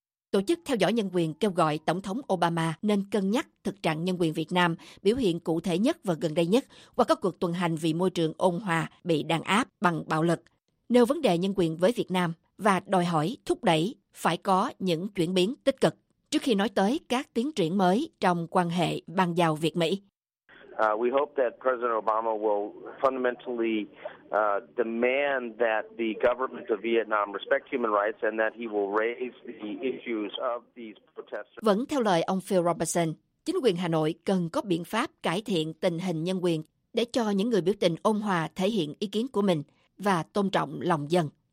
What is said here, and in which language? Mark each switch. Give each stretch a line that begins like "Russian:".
Vietnamese: Tổ chức theo dõi nhân quyền kêu gọi Tổng thống Obama nên cân nhắc thực trạng nhân quyền Việt Nam, biểu hiện cụ thể nhất và gần đây nhất qua các cuộc tuần hành vì môi trường ôn hòa bị đàn áp bằng bạo lực, nêu vấn đề nhân quyền với Việt Nam và đòi hỏi thúc đẩy phải có những chuyển biến tích cực trước khi nói tới các tiến triển mới trong quan hệ bang giao Việt-Mỹ.
English: We hope that President Obama will fundamentally demand that the government of Vietnam respect human rights and that he will raise the issues of these protesters.
Vietnamese: Vẫn theo lời ông Phil Robertson, chính quyền Hà Nội cần có biện pháp cải thiện tình hình nhân quyền để cho những người biểu tình ôn hòa thể hiện ý kiến của mình và tôn trọng lòng dân.